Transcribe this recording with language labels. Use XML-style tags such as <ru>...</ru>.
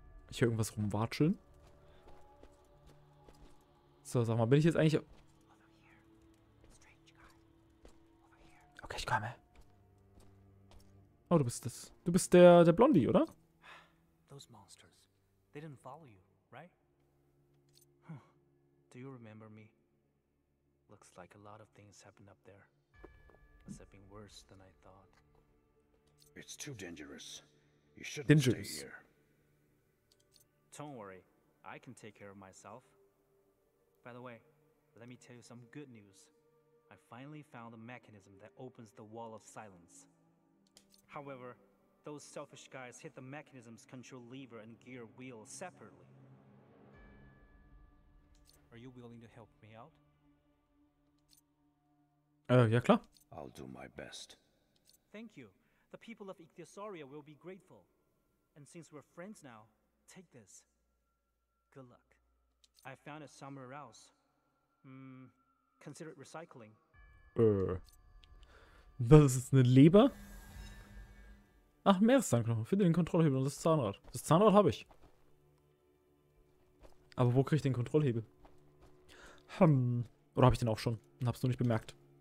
<de>Ich höre irgendwas rumwatscheln. So, sag mal, bin ich jetzt eigentlich... Okay, ich komme. Oh, du bist das. Du bist der Blondie, oder?</de> <en>Those monsters. They didn't follow you, right? Huh. Do you remember me? Looks like a lot of things happened up there. It's been worse than I thought. It's too dangerous. You shouldn't dangerous. Stay here. Don't worry. I can take care of myself. By the way, let me tell you some good news. I finally found a mechanism that opens the wall of silence. However, those selfish guys hit the mechanism's control lever and gear wheel separately. Are you willing to help me out?</en> <de>Ja klar.</de> <en>I'll do my best. Thank you. The people of Ichthyosauria will be grateful. And since we're friends now, take this. Good luck. I found it somewhere else. Hmm, consider it recycling.</en> <de>Was ist jetzt, eine Leber? Ach, Meereszahnknochen. Finde den Kontrollhebel und das Zahnrad. Das Zahnrad habe ich. Aber wo kriege ich den Kontrollhebel? Oder habe ich den auch schon? Und hab's nur nicht bemerkt.</de>